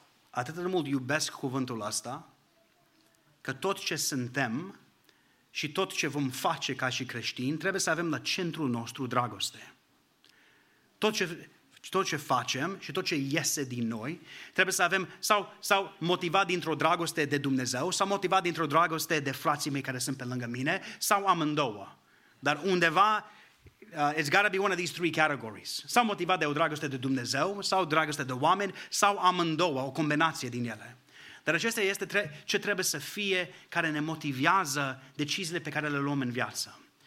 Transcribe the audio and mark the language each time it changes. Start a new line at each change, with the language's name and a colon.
Romanian: Atât de mult iubesc cuvântul ăsta, că tot ce suntem și tot ce vom face ca și creștini, trebuie să avem la centrul nostru dragoste. Tot ce facem și tot ce iese din noi, trebuie să avem sau motivat dintr-o dragoste de Dumnezeu, sau motivat dintr-o dragoste de frații mei care sunt pe lângă mine, sau amândouă. Dar undeva,
English: it's got to be one of these three categories.
Romanian: Sau motivat de o dragoste de Dumnezeu, sau dragoste de oameni, sau amândouă, o combinație din ele. Dar acesta este ce trebuie să fie care ne motivează deciziile pe care le luăm în viață.